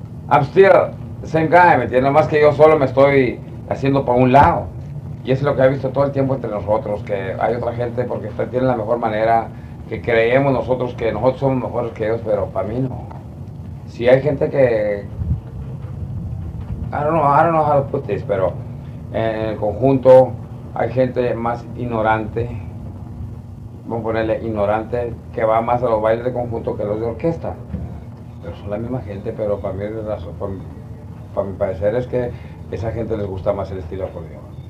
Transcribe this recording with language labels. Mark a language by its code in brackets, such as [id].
[en] I'm still the same guy, [es] ¿me entiendes? Más que yo solo me estoy haciendo para un lado. Y eso es lo que he visto todo el tiempo entre nosotros, que hay otra gente porque tiene la mejor manera, que creemos nosotros que nosotros somos mejores que ellos, pero para mí no. Si hay gente que... [en] I don't know how to put this, [es] pero... En el conjunto hay gente más ignorante, vamos a ponerle ignorante, que va más a los bailes de conjunto que los de orquesta. Pero son la misma gente, pero para mí es razón, para mi parecer es que esa gente les gusta más el estilo acordeón.